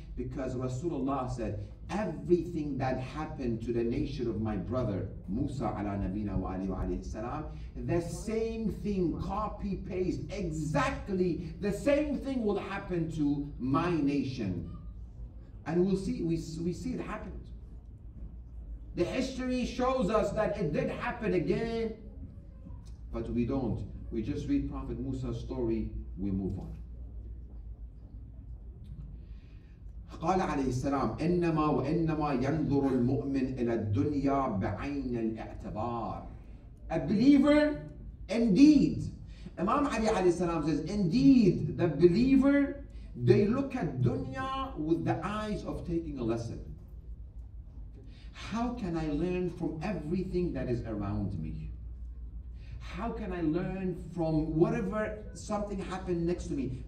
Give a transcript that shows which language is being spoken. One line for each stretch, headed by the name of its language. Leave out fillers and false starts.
English: Because Rasulullah said, everything that happened to the nation of my brother, Musa ala nabina wa alihi wa alayhi salam, the same thing, copy paste, exactly the same thing will happen to my nation. And we'll see, we see it happened. The history shows us that it did happen again, but we don't. We just read Prophet Musa's story, we move on.
Arabic: قال عليه السلام إنما وإنما ينظر المؤمن إلى الدنيا بعين الاعتبار.
English: A believer, indeed. Imam Ali عليه السلام says, indeed, the believer, they look at dunya with the eyes of taking a lesson. How can I learn from everything that is around me? How can I learn from whatever something happened next to me?